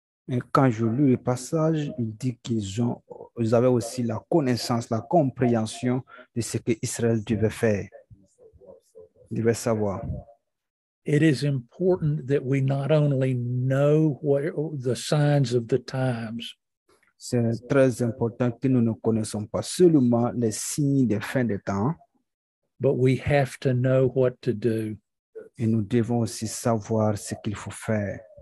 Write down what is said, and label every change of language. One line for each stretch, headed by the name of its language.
French: Et quand je lis le passage, il dit qu'ils avaient aussi la connaissance, la compréhension de ce que Israël devait faire, devait savoir.
English: It is important that we not only know what the signs of the times.
French: C'est très important que nous ne connaissons pas seulement les signes des fins des temps.
English: But we have to know what to do.
French: Et nous devons aussi savoir ce qu'il faut faire.